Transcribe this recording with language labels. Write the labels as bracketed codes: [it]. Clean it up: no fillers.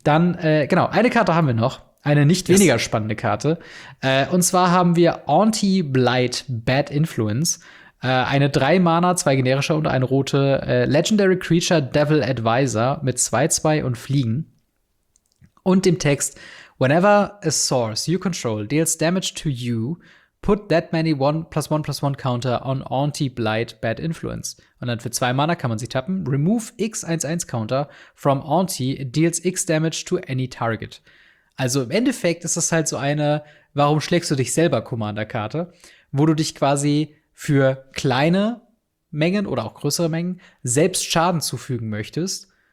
[de] Dann, eine Karte haben wir noch. Eine nicht weniger spannende Karte. Und zwar haben wir Auntie Blight Bad Influence. Eine 3-Mana, 2 generische und eine rote Legendary Creature Devil Advisor mit 2/2 und Fliegen. Und dem Text: [en] Whenever a source you control deals damage to you, put that many 1/+1/+1 Counter on [de] Auntie Blight Bad Influence. Und dann für 2 Mana kann man sie tappen. [en] Remove x11 Counter from Auntie, deals x Damage to any target. [de] Also im Endeffekt ist das halt so eine Warum schlägst du dich selber Commander-Karte, wo du dich quasi für kleine Mengen oder auch größere Mengen selbst Schaden zufügen möchtest,